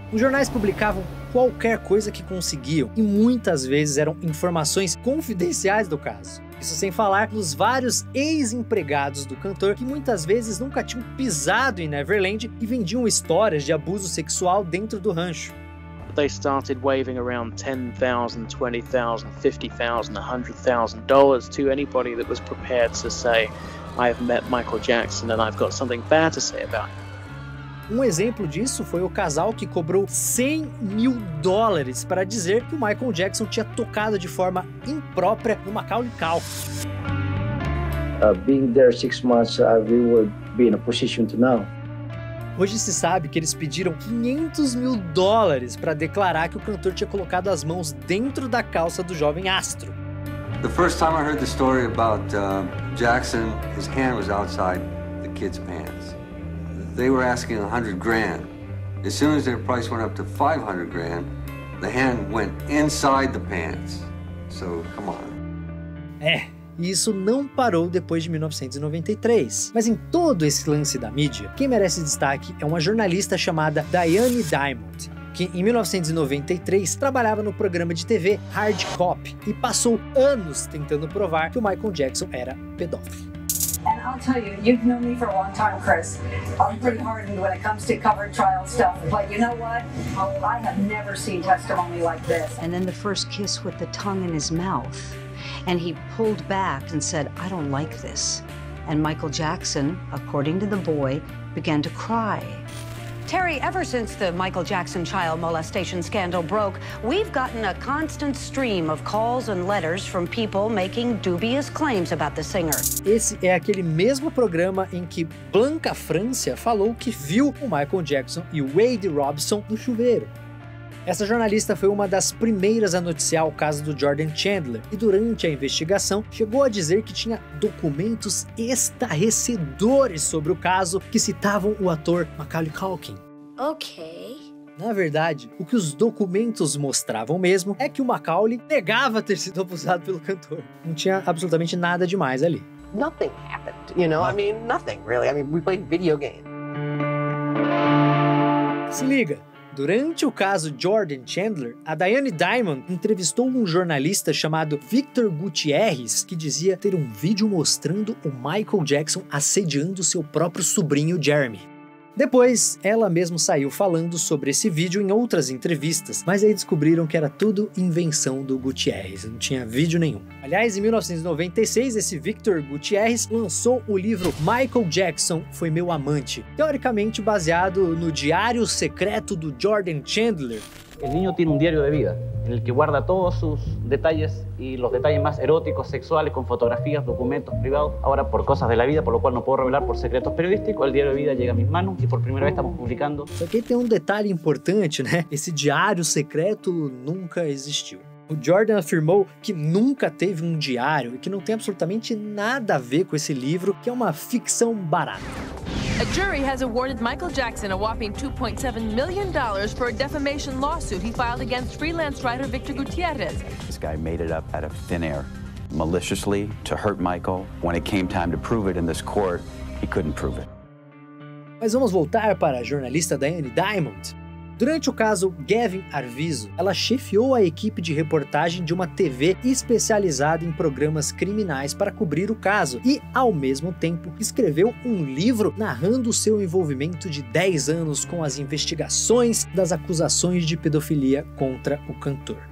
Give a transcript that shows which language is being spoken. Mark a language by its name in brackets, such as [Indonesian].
[Portuguese] Os jornais publicavam qualquer coisa que conseguiam e muitas vezes eram informações confidenciais do caso. Isso sem falar dos vários ex-empregados do cantor que muitas vezes nunca tinham pisado em Neverland e vendiam histórias de abuso sexual dentro do rancho. [English] They started waving around $10,000, $20,000, $50,000, $100,000 to anybody that was prepared to say, I have met Michael Jackson and I've got something bad to say about him. [Portuguese] Um exemplo disso foi o casal que cobrou $100,000 para dizer que o Michael Jackson tinha tocado de forma imprópria no Macaulay Culkin. [English] Being there 6 months, we would be in a position to know. [Portuguese] Hoje se sabe que eles pediram $500,000 para declarar que o cantor tinha colocado as mãos dentro da calça do jovem astro. [English] The first time I heard the story about Jackson, his hand was outside the kid's pants. They were asking $100,000. As soon as their price went up to $500,000, the hand went inside the pants. So, come on. [Portuguese] É, e isso não parou depois de 1993. Mas em todo esse lance da mídia, quem merece destaque é uma jornalista chamada Diane Diamond, que em 1993 trabalhava no programa de TV Hard Cop e passou anos tentando provar que o Michael Jackson era pedófilo. [English] And I'll tell you, you've known me for a long time, Chris. I'm pretty hardened when it comes to covered trial stuff. But you know what? I have never seen testimony like this. And then the first kiss with the tongue in his mouth. And he pulled back and said, I don't like this. And Michael Jackson, according to the boy, began to cry. Terry, ever since the Michael Jackson child molestation scandal broke, we've gotten a constant stream of calls and letters from people making dubious claims about the singer. [Portuguese] Esse é aquele mesmo programa em que Blanca França falou que viu o Michael Jackson e o Wade Robson no chuveiro. Essa jornalista foi uma das primeiras a noticiar o caso do Jordan Chandler e durante a investigação chegou a dizer que tinha documentos estarrecedores sobre o caso que citavam o ator Macaulay Culkin. Ok. Na verdade, o que os documentos mostravam mesmo é que o Macaulay negava ter sido abusado pelo cantor. Não tinha absolutamente nada demais ali. [English] Nothing happened, you know? I mean, nothing really. I mean, we played video game. [Portuguese] Se liga. Durante o caso Jordan Chandler, a Diane Diamond entrevistou um jornalista chamado Victor Gutierrez, que dizia ter um vídeo mostrando o Michael Jackson assediando seu próprio sobrinho Jeremy. Depois, ela mesma saiu falando sobre esse vídeo em outras entrevistas, mas aí descobriram que era tudo invenção do Gutierrez, não tinha vídeo nenhum. Aliás, em 1996, esse Victor Gutierrez lançou o livro Michael Jackson Foi Meu Amante, teoricamente baseado no diário secreto do Jordan Chandler. [Spanish] El niño tiene un diario de vida en el que guarda todos sus detalles y los detalles más eróticos, sexuales, con fotografías, documentos privados. Ahora, por cosas de la vida, por lo cual no puedo revelar por secretos periodísticos, el diario de vida llega a mis manos y por primera vez estamos publicando. [Portuguese] Só que tem um detalhe importante, né? Esse diário secreto nunca existiu. O Jordan afirmou que nunca teve um diário e que não tem absolutamente nada a ver com esse livro, que é uma ficção barata. [English] A jury has awarded Michael Jackson a whopping $2.7 million for a defamation lawsuit he filed against freelance writer Victor Gutierrez. This guy made it up out of thin air, maliciously, to hurt Michael. When it came time to prove it in this court, he couldn't prove it. [Portuguese] Mas vamos voltar para a jornalista Diane Diamond. Durante o caso Gavin Arvizo, ela chefiou a equipe de reportagem de uma TV especializada em programas criminais para cobrir o caso e, ao mesmo tempo, escreveu um livro narrando seu envolvimento de 10 anos com as investigações das acusações de pedofilia contra o cantor.